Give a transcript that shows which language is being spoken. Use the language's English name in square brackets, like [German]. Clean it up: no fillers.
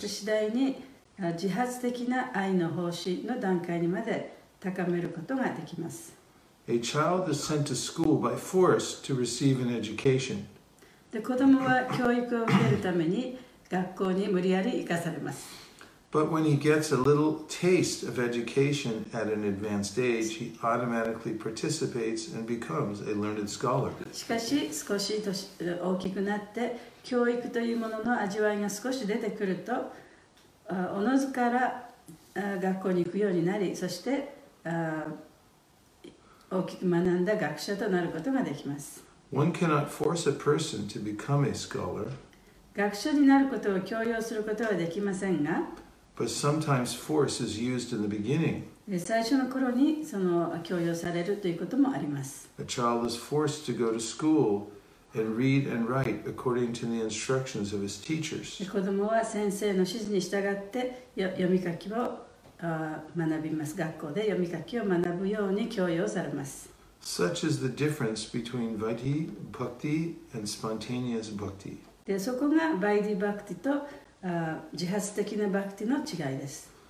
[Japanese] そして次第に自発的な愛の奉仕の段階にまで高めることができます。 [English] A child is sent to school by force to receive an education. [Japanese] で、子供は教育を受けるために学校に無理やり行かされます。 [English] But when he gets a little taste of education at an advanced age, he automatically participates and becomes a learned scholar. [Japanese] しかし、少し大きくなって、教育というものの味わいが少し出てくると、おのずから学校に行くようになり、そして大きく学んだ学者となることができます。 [English] One cannot force a person to become a scholar. [Japanese] 学者になることを強要することはできませんが、 [English] But sometimes force is used in the beginning. [Japanese] 最初の頃にその強要されるということもあります。 [English] A child is forced to go to school and read and write according to the instructions of his teachers. [Japanese] 子供は先生の指示に従って読み書きを学びます。学校で読み書きを学ぶように強要されます。 [English] Such is the difference between Vaidhi Bhakti and spontaneous Bhakti. [Japanese] で、そこがバイディバクティと自発的なバクティの違いです。